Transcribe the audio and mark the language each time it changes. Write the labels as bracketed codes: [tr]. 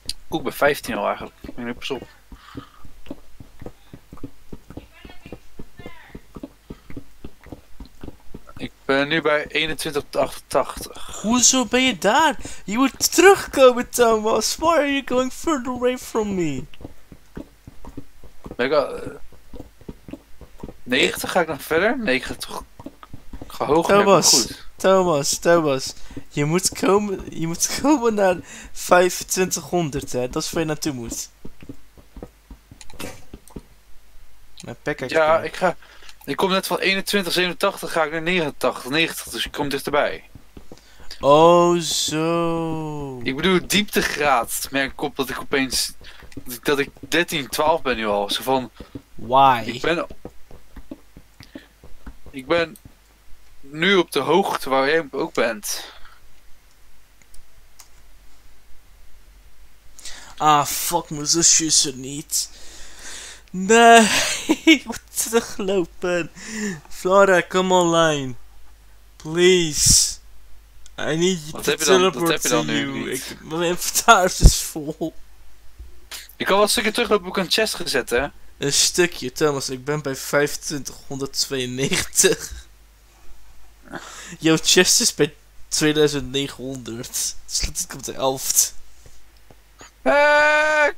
[nl] Ik ben 15 al eigenlijk, ik ben nu pas op. Ik ben nu bij 21.88. Hoezo ben je daar? Je moet terugkomen, Thomas. [en] Why are you going further away from me? [nl] Ben ik al... 90 ga ik nog verder? Nee, ik ga toch... Ik ga hoger, Thomas, goed. Thomas, je moet komen naar 2500, hè? Dat is waar je naartoe moet. Mijn pickaxe. Ja, ik kom net van 21, 87, ga ik naar 89, 90, dus ik kom dichterbij. Oh, zo. Ik bedoel, dieptegraad, merk ik op dat ik opeens, dat ik 13, 12 ben nu al. Zo van, [en] why? [nl] Ik ben nu op de hoogte waar jij ook bent. Ah, fuck, mijn zusje is er niet. Nee, ik moet teruglopen. Flora, [en] come online. Please. I need you to teleport to you. [nl] Mijn inventaris is vol. Ik kan wel een stukje teruglopen, ik heb een chest gezet, hè? Een stukje, Thomas, ik ben bij 2592. Jouw chest is bij 2900. Slot ik op de 11.